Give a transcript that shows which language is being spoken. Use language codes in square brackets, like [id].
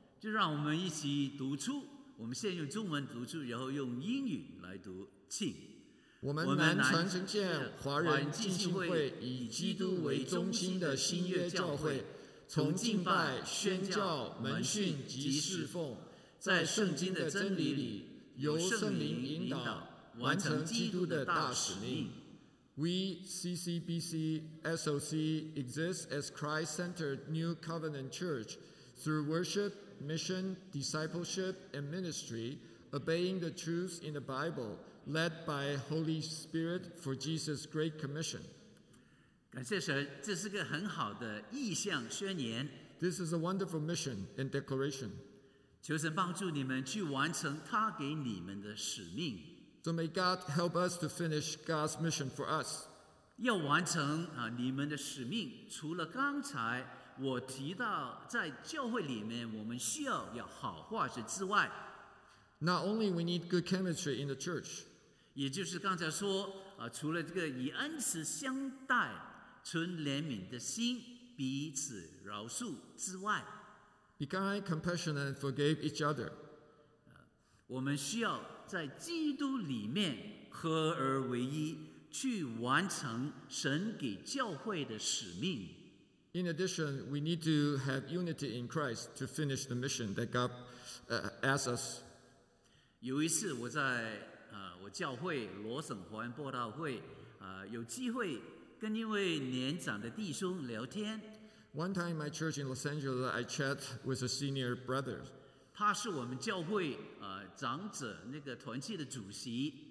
[zh] 就让我们一起读出，我们先用中文读出，然后用英语来读，请。我们南城城建华人浸信会以基督为中心的新约教会，从敬拜、宣教、门训及侍奉，在圣经的真理里，由圣灵引导，完成基督的大使命。 [en] We CCBC SOC exists as Christ-centered New Covenant Church through worship, mission, discipleship, and ministry, obeying the truths in the Bible, led by Holy Spirit for Jesus' Great Commission. [zh] 感谢神，这是个很好的意向宣言。 [en] This is a wonderful mission and declaration. [zh] 求神帮助你们去完成他给你们的使命。 [en] So may God help us to finish God's mission for us. [zh] 要完成你们的使命，除了刚才我提到在教会里面我们需要有好化学之外， [en] Not only we need good chemistry in the church. [zh] 也就是刚才说除了这个以恩慈相待，存怜悯的心，彼此饶恕之外， [en] Be kind, compassionate, and forgive each other. [zh] 我们需要在基督里面合而为一，去完成神给教会的使命。 [en] In addition, we need to have unity in Christ to finish the mission that God asks us. [zh] 有一次我在我教会罗省华人布道会有机会跟一位年长的弟兄聊天。 [en] One time in my church in Los Angeles, I chat with a senior brother. [zh] 他是我们教会长者那个团契的主席。